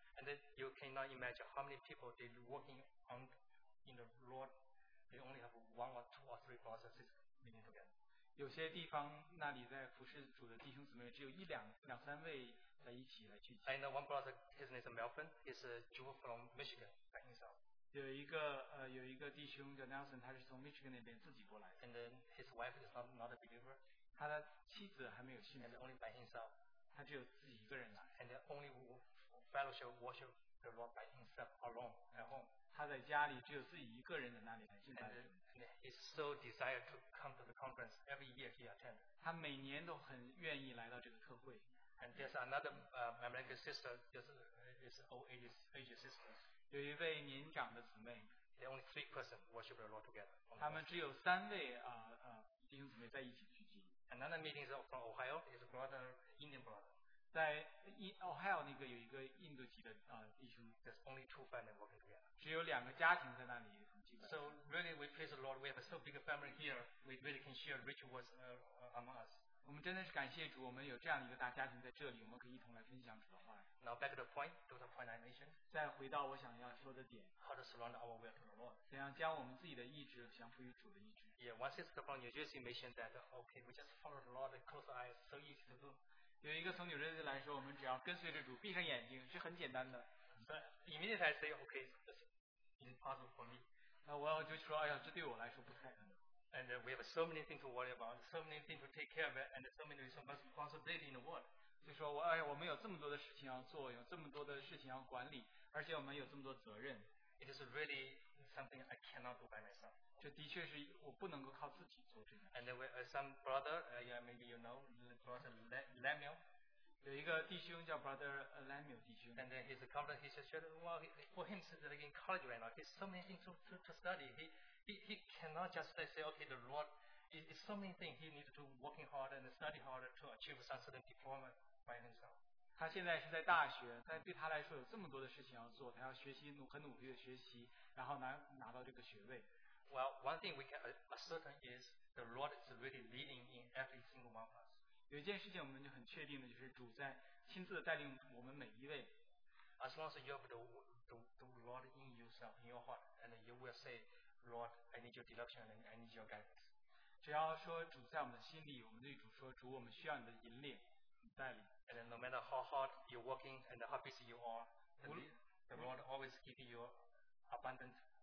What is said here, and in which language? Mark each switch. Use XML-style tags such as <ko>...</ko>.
<en>And you cannot imagine how many people they working on in the Lord. They only have one or two or three processes meeting together.</en> <zh>有些地方那里在服侍主的弟兄姊妹只有一两三位在一起来聚集。</zh> <en>I know one brother, his name is Melvin. He's a Jew from Michigan by himself.</en> <zh>有一个弟兄叫 Nelson, 他是从 Michigan 那边自己过来的。</zh> <en>And then his wife is not a believer.</en> <zh>他的妻子还没有信</zh> <en>，and only by himself.</en> <zh>他只有自己一个人来</zh> <en>，and only fellowship worship the Lord by himself alone at home.</en> <zh>他在家里只有自己一个人在那里来敬拜主。</zh> <en>And he's so desired to come to the conference every year he attend.</en> <zh>他每年都很愿意来到这个特会。</zh> <en>And there's another American sister, just old age sister.</en> <zh>有一位年长的姊妹。</zh> <en>There only three persons worship the Lord together.</en> <zh>他们只有三位弟兄姊妹在一起聚集。</zh> <en>Another meeting is from Ohio. His brother, Indian brother.</en> <zh>在 Ohio 那个有一个印度籍的弟兄。</zh> <en>There's only two families working together.</en> <zh>只有两个家庭在那里。</zh> <en>So really, we praise the Lord. We have a so big family here. We really can share rich words among us.</en> <zh>我们真的是感谢主，我们有这样一个大家庭在这里，我们可以一同来分享主的话。</zh> <en>Now back to the point. To the point I'm inclination.</en> <zh>再回到我想要说的点。</zh> <en>How to surrender our will to the Lord.</en> <zh>怎样将我们自己的意志降服于主的意志。</zh> <en>Yeah, once it's upon New Jersey mission that, okay, we just follow the Lord and close our eyes, so easy to do.</en> <zh>有一个从New Jersey来说，我们只要跟随着主，闭上眼睛，是很简单的。</zh> <en>But immediately I say, okay, it's impossible for me.</en> <zh>那我要就说，哎呀，这对我来说不太可能。</zh> <en>And we have so many things to worry about, so many things to take care of, and so many responsibilities in the world.</en> <zh>所以说我，哎呀，我们有这么多的事情要做，有这么多的事情要管理，而且我们有这么多责任。</zh> <en>It is really something I cannot do by myself.</en> <zh>这的确是我不能够靠自己做这个。</zh> <en>And there were some brother, yeah, maybe you know, brother Lemuel.</en> <zh>有一个弟兄叫 brother Lemuel 弟兄。</zh> <en>And then he's a couple, he just said, well, for him, he's in college right now. He's so many things to study. He cannot just say, okay, the Lord, it's so many things he needs to do, working hard and study hard to achieve some certain diploma by himself.</en> <zh>他现在是在大学，但对他来说有这么多的事情要做，他要学习，很努力的学习，然后拿到这个学位。</zh> <en>Well, one thing we can ascertain is the Lord is really leading in every single one of us.</en> <zh>有一件事情我们就很确定的，就是主在亲自带领我们每一位。</zh> <en>As long as you have the Lord in yourself, in your heart, and you will say,Lord, I need your direction and I need your guidance.</en> <zh>只要说主在我们心里，我们对主说，主，我们需要你的引领、带领。</zh> <en>And no matter how hard you're working and how busy you are, the Lord always giving you abundance.</en>